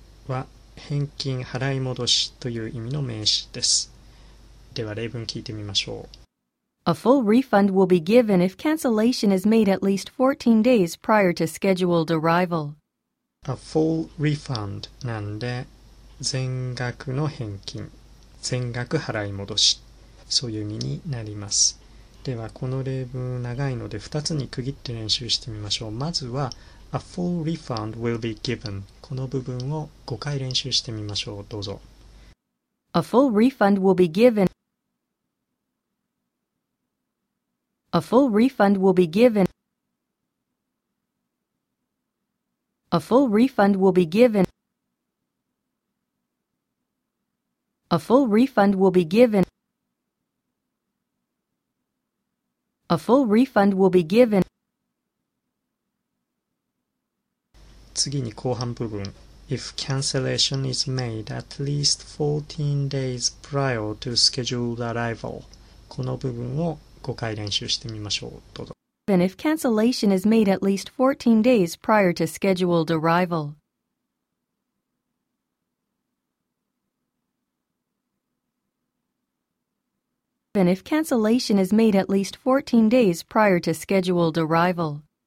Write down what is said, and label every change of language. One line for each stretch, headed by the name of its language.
Japanese: は返金払い戻しという意味の名詞です。では例文聞いてみましょう。
English: A full refund will be given if cancellation is made at least 14 days prior to scheduled arrival. A full refund
Japanese: なんで全額の返金、全額払い戻し、そういう意味になります。ではこの例文長いので2つに区切って練習してみましょう。まずは
English: A full refund will be given.
Japanese: この部分を5回練習してみましょう。どうぞ。
English: A full refund will be given. A full refund will be given. A full refund will be given. A full refund will be given. A full refund will be given.
Japanese: 次に後半部分。
English: If cancellation is made at least 14 days prior to scheduled arrival.
Japanese: この部分を5回練習してみましょう。どうぞ。
English: Even if cancellation is made at least 14 days prior to scheduled arrival. Even if cancellation is made at least 14 days prior to scheduled arrival.